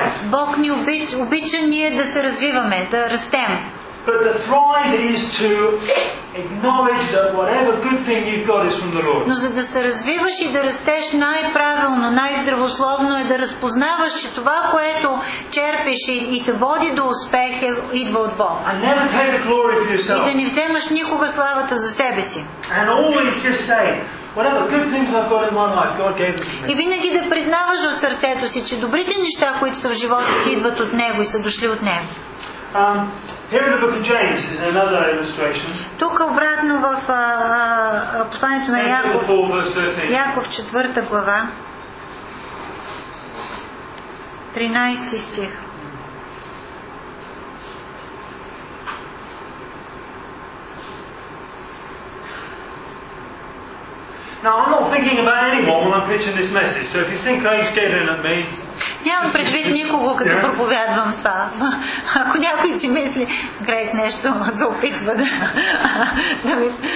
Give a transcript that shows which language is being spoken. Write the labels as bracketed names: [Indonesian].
[Bulgarian] Бог ни обича ние да се развиваме, да растем. [English] But the thrive is to acknowledge that whatever good thing you've got is from the Lord. [Bulgarian] Но за да се развиваш и да растеш най-правилно, най-здравословно е да разпознаваш, че това, което черпиш и те води до успех, идва от Бог. [English] And never take the glory for yourself. [Bulgarian] И да не вземаш никога славата за себе си. [English] And always just say, whatever good things I've got in my life, God gave them to me. [Bulgarian] И винаги да признаваш в сърцето си, че добрите неща, които са в живота ти, идват от Него и са дошли от Него. [English] Here in the book of James is another illustration. [Bulgarian] Тук обратно в посланието на Яков, Яков 4 глава 13 стих. [English] Now I'm not thinking about anyone when I'm preaching this message. So if you think I'm scared at me. [Bulgarian] Нямам предвид никого, като проповядвам това. Ако някой си мисли, Грейк нещо се опитва да ми...